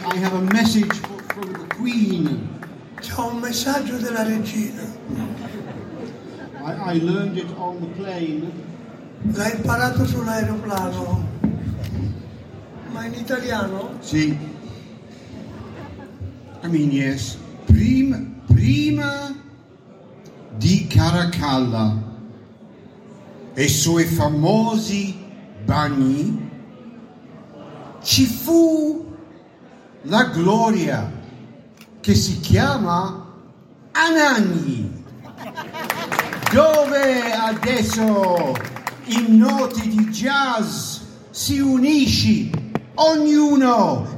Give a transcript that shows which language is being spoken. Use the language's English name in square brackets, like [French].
[English] I have a message from the Queen. [Italian] C'è un messaggio della regina. [English] I learned it on the plane. [Italian] L'hai imparato sull'aeroplano. Ma in italiano? Sì. [English] I mean, yes. [Italian] Prima di Caracalla e suoi famosi bagni ci fu la gloria che si chiama Anagni, dove adesso in noti di jazz si unisce ognuno.